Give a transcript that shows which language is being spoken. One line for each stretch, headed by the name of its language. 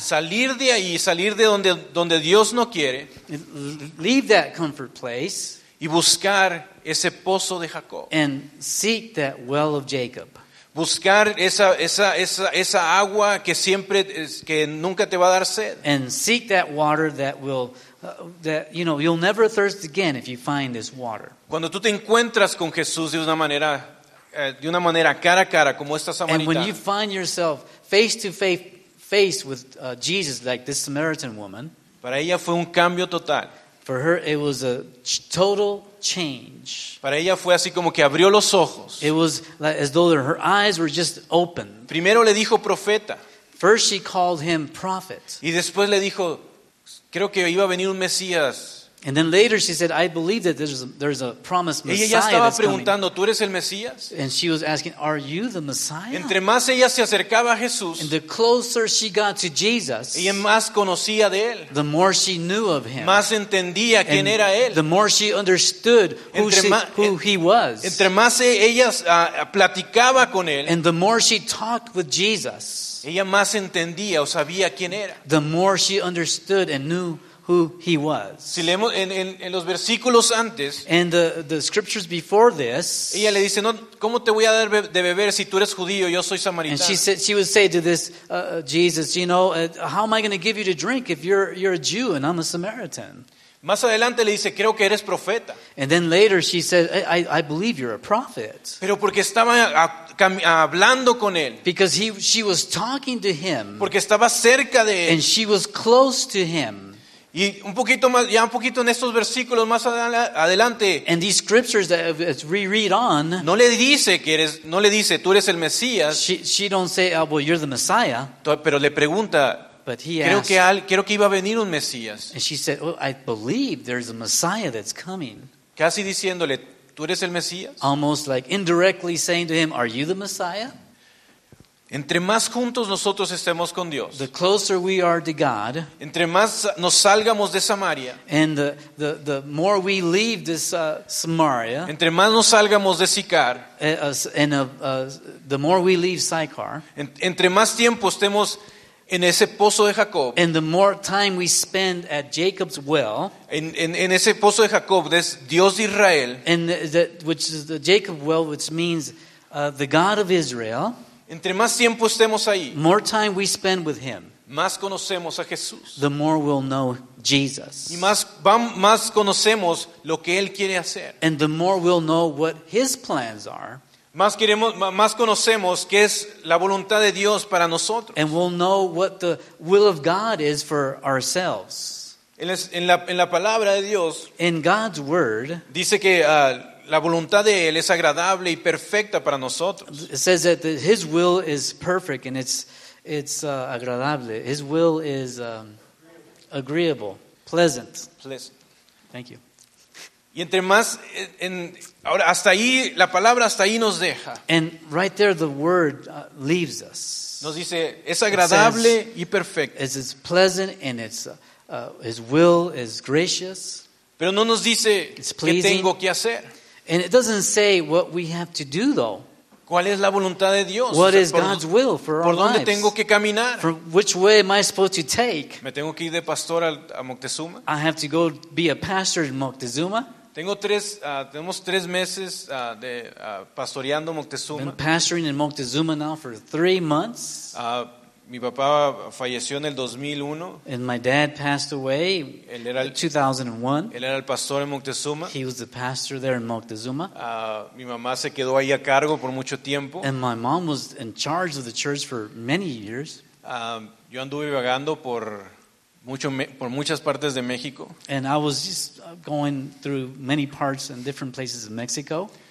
Spanish: Salir de ahí, salir de donde Dios no quiere.
English: Leave that comfort place.
Spanish: Y buscar ese pozo de Jacob.
English: And seek that well of Jacob.
Spanish: Buscar esa agua que nunca te va a dar sed.
English: And seek that water that you'll never thirst again if you find this water.
Spanish: Cuando tú te encuentras con Jesús de una manera cara a cara como esta samaritana.
English: And when you find yourself face to face with Jesus like this Samaritan woman.
Spanish: Para ella fue un cambio total.
English: For her it was a total change.
Spanish: Para ella fue así como que abrió los ojos.
English: It was like as though her eyes were just open.
Spanish: Primero le dijo profeta.
English: First she called him prophet.
Spanish: Y después le dijo, creo que iba a venir un Mesías.
English: And then later she said, I believe that there's a promised Messiah.
Spanish: Ella ya estaba preguntando, ¿tú eres el Mesías?
English: And she was asking, are you the Messiah?
Spanish: Entre más ella se acercaba a Jesús,
English: and the closer she got to Jesus,
Spanish: ella más conocía de él,
English: the more she knew of him,
Spanish: más entendía quién era él,
English: the more she understood who he was.
Spanish: Entre más ella platicaba con él,
English: and the more she talked with Jesus,
Spanish: ella más entendía o sabía quién era,
English: the more she understood and knew who he was.
Spanish: Si leemos en los versículos antes,
English: and the scriptures before this,
Spanish: ella le dice, no, ¿cómo te voy a dar de beber si tú eres judío, yo soy samaritana?
English: And she would say to this Jesus, how am I going to give you to drink if you're a Jew and I'm a Samaritan?
Spanish: Más adelante le dice, creo que eres profeta.
English: And then later she said, I believe you're a prophet.
Spanish: Pero porque estaba hablando con él.
English: Because she was talking to him.
Spanish: Porque estaba cerca de él.
English: And she was close to him.
Spanish: Y un poquito más, ya un poquito en estos versículos más adelante.
English: And these scriptures that we read on.
Spanish: No le dice que eres, no le dice, tú eres el Mesías.
English: She don't say, oh, well, you're the Messiah.
Spanish: Pero le pregunta.
English: But he asked,
Spanish: creo que iba a venir un Mesías.
English: And she said, oh, I believe there's a Messiah that's coming.
Spanish: Casi diciéndole, ¿tú eres el Mesías?
English: Almost like indirectly saying to him, are you the Messiah?
Spanish: Entre más juntos nosotros estemos con Dios,
English: the closer we are to God,
Spanish: entre más nos salgamos de Samaria,
English: and the more we leave this Samaria,
Spanish: entre más nos salgamos de Sicar,
English: the more we leave Sychar,
Spanish: entre más tiempo estemos en ese pozo de Jacob,
English: and the more time we spend at Jacob's well,
Spanish: en ese pozo de Jacob, de Dios de Israel,
English: and which is the Jacob well, which means the God of Israel.
Spanish: Entre más tiempo estemos ahí,
English: more time we spend with him,
Spanish: más conocemos a Jesús,
English: the more we'll know Jesus,
Spanish: y más conocemos lo que él quiere hacer,
English: and the more we'll know what his plans are,
Spanish: más conocemos qué es la voluntad de Dios para nosotros,
English: and we'll know what the will of God is for ourselves.
Spanish: En la palabra de Dios,
English: in God's word,
Spanish: dice que la voluntad de él es agradable y perfecta para nosotros.
English: It says that his will is perfect and it's agradable. His will is agreeable, pleasant. Pleasant. Thank you.
Spanish: Y entre más ahora hasta ahí la palabra hasta ahí nos deja.
English: And right there the word leaves us.
Spanish: Nos dice es agradable y perfecto.
English: It says it's pleasant and it's his will is gracious.
Spanish: Pero no nos dice qué tengo que hacer.
English: And it doesn't say what we have to do, though.
Spanish: ¿Cuál es la voluntad de Dios?
English: What is God's will for our lives?
Spanish: ¿Por dónde tengo que caminar?
English: From which way am I supposed to take?
Spanish: ¿Me tengo que ir de pastor a Moctezuma?
English: I have to go be a pastor in Moctezuma.
Spanish: Tenemos tres meses de pastoreando Moctezuma.
English: Been pastoring in Moctezuma now for 3 months.
Spanish: Mi papá falleció en el 2001.
English: And my dad passed away in 2001.
Spanish: Él era el pastor en Moctezuma.
English: He was the pastor there in Moctezuma.
Spanish: Mi mamá se quedó ahí a cargo por mucho tiempo.
English: And my mom was in charge of the church for many years.
Spanish: Yo anduve vagando por muchas partes de México.
English: And I was just going through many parts and different places in Mexico.